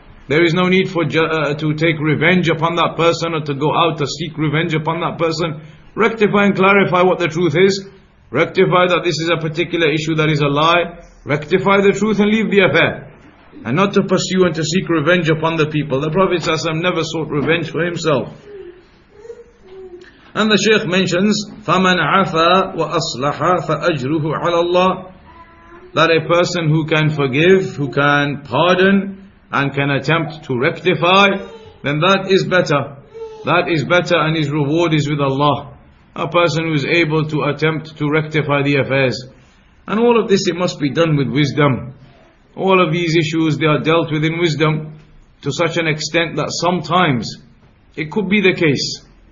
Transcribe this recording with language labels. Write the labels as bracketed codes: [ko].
[en] There is no need for to take revenge upon that person or to go out to seek revenge upon that person. Rectify and clarify what the truth is. Rectify that this is a particular issue that is a lie. Rectify the truth and leave the affair. And not to pursue and to seek revenge upon the people. The Prophet ﷺ never sought revenge for himself. And the Shaykh mentions, [ar] فَمَنْ عَفَى وَأَصْلَحَ فَأَجْرُهُ عَلَى اللَّهِ [en] that a person who can forgive, who can pardon, and can attempt to rectify, then that is better. That is better, and his reward is with Allah. A person who is able to attempt to rectify the affairs. And all of this, it must be done with wisdom. All of these issues, they are dealt with in wisdom to such an extent that sometimes it could be the case.